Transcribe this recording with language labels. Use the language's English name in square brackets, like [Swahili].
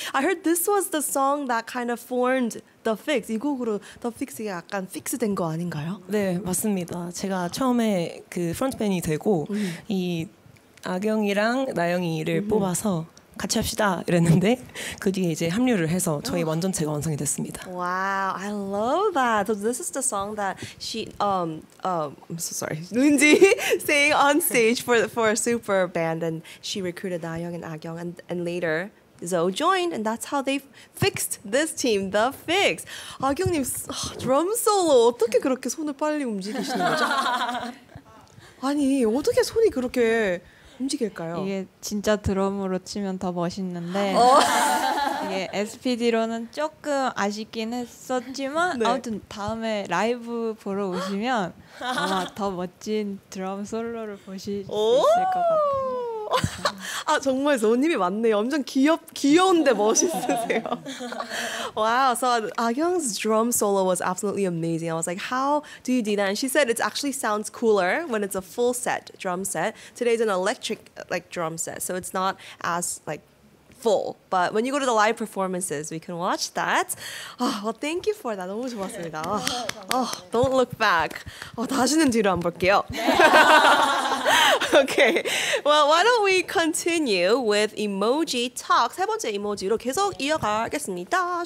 [English] I heard this was the song that kind of formed The Fix. [Korean] 이 곡으로 The Fix가 약간 픽스된 거 아닌가요? 네, 맞습니다. 제가 처음에 그 프론트맨이 되고 이 악영이랑 나영이를 뽑아서 같이 합시다 이랬는데 그 뒤에 이제 합류를 해서 저희 완전체가 완성이 됐습니다. [English] Wow, I love that. So this is the song that she I'm so sorry. Lindsay sang on stage for a super band and she recruited Dayoung and Agyoung and later Zoe joined and that's how they fixed this team, The Fix. [Korean] 아경 님, 드럼 솔로 어떻게 그렇게 손을 빨리 움직이시는 거죠? 아니, 어떻게 손이 그렇게 움직일까요? 이게 진짜 드럼으로 치면 더 멋있는데 이게 SPD로는 조금 아쉽긴 했었지만 네. 아무튼 다음에 라이브 보러 오시면 아마 더 멋진 드럼 솔로를 보실 수 있을 것 같아요. 아 정말 손님이 맞네요. 엄청 귀여운데 멋있으세요. [English] Wow, so Agyoung's drum solo was absolutely amazing. I was like, how do you do that? And she said it actually sounds cooler when it's a full set, drum set. Today's an electric like drum set, so it's not as like full. But when you go to the live performances, we can watch that. Oh, well, thank you for that. [Korean] 너무 좋았습니다. [English] Oh, don't look back. [Korean] Oh, 다시는 뒤로 안 볼게요. [English] Okay, well, why don't we continue with emoji talk. [Korean] 세 번째 이모지로 계속 이어가겠습니다.